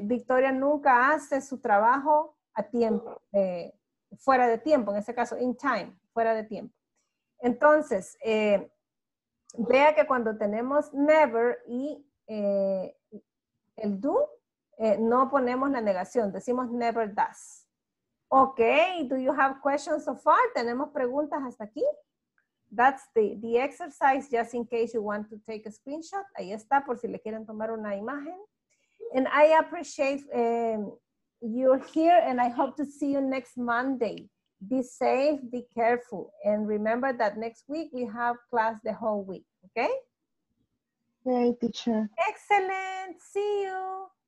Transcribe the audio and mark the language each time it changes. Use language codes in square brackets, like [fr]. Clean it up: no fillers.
[es] Victoria nunca hace su trabajo a tiempo, fuera de tiempo, en este caso, in time, fuera de tiempo. Entonces, vea que cuando tenemos never y el do, no ponemos la negación, decimos never does. [en] Ok, do you have questions so far? [es] ¿Tenemos preguntas hasta aquí? [en] That's the exercise, just in case you want to take a screenshot. [es] Ahí está, por si le quieren tomar una imagen. [en] And I appreciate you're here, and I hope to see you next Monday. Be safe, be careful, and remember that next week we have class the whole week, okay? Great, teacher. Excellent, see you.